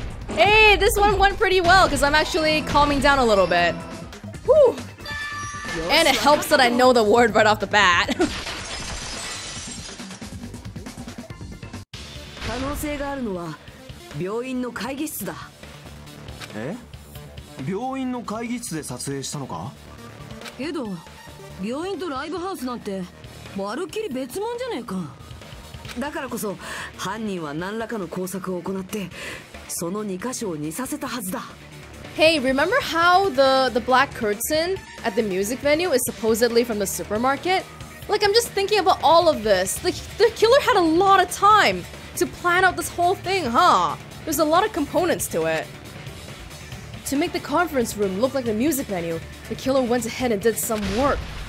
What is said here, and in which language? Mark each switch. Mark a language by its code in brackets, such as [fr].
[en] Hey, this one went pretty well because I'm actually calming down a little bit. Whew! And it helps that I know the word right off the bat. [ja] 可能性があるのは病院の会議室だ。え？病院の会議室で撮影したのか？けど、病院とライブハウスなんて、まるっきり別物じゃねえか。だからこそ、犯人は何らかの工作を行って、その2箇所を似させたはずだ。 [en] Hey, remember how the black curtain at the music venue is supposedly from the supermarket? Like, I'm just thinking about all of this. The killer had a lot of time to plan out this whole thing, huh? There's a lot of components to it. To make the conference room look like the music venue, the killer went ahead and did some work.